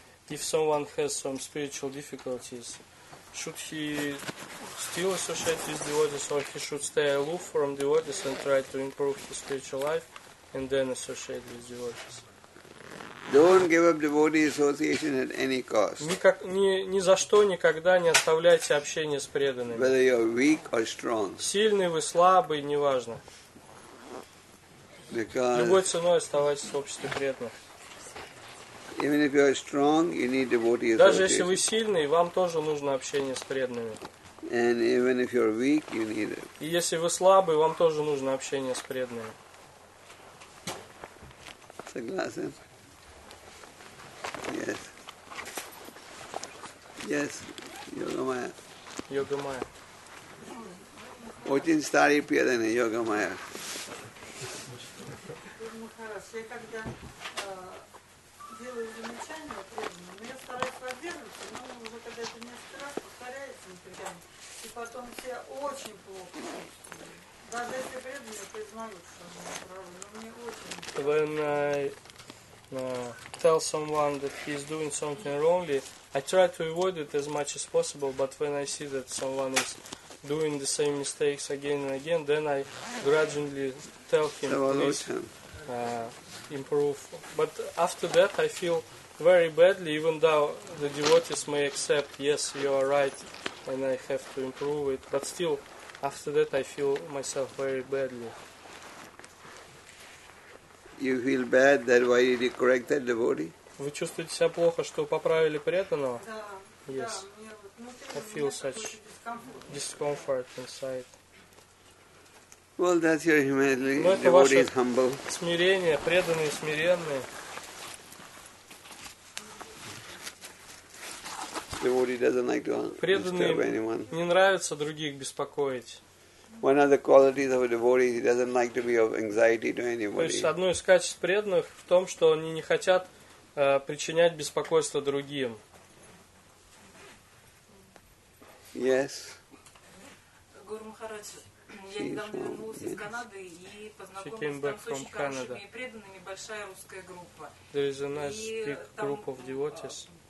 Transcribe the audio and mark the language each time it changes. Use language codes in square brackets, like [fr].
[en] If someone has some spiritual difficulties, should he still associate with devotees, or he should stay aloof from devotees and try to improve his spiritual life, and then associate with devotees? Don't give up devotee association at any cost. [ru] Ни за что никогда не оставляйте общение с преданными. [en] Whether you're weak or strong. [ru] Сильный вы, слабый, неважно. [en] Because [ru] любой ценой оставайтесь в обществе преданных. [en] Even if you are strong, you need devotee association. [ru] Даже если вы сильный, вам тоже нужно общение с преданными. [en] And even if you're weak, you need it. [ru] И если вы слабый, вам тоже нужно общение с преданными. Согласен. [en] Yes. Yes. Йогамая. [ru] Йогамая. Очень старый преданный Йогамая. Делаю замечания преданным, но я стараюсь воздерживаться, но уже когда это несколько раз повторяется непрерывно, и потом все очень плохо чувствуют. Даже если преданные признают, что они правы, но мне очень неприятно. [en] Tell someone that he is doing something wrongly, I try to avoid it as much as possible, but when I see that someone is doing the same mistakes again and again, then I gradually tell him, please, improve. But after that I feel very badly, even though the devotees may accept, yes, you are right, and I have to improve it. But still, after that I feel myself very badly. You feel bad, that why did you correct that devotee? [ru] Вы чувствуете себя плохо, что поправили преданного? Да, [en] yes. [ru] Да, [en] I feel such discomfort inside. Well, that's your humility. Devotee is humble. [ru] Смирение, преданные смиренные. [en] Devotee doesn't like to disturb anyone. [ru] Преданные не нравится других беспокоить. [en] One of the qualities of a devotee, he doesn't like to be of anxiety to anybody. [ru] То есть одно из качеств преданных в том, что они не хотят причинять беспокойство другим. [en] Yes. [ru] Гуру Махарадж, я недавно вернулась из Канады и познакомилась там с очень хорошими и преданными, большая русская группа. [en] There is a nice big group of devotees.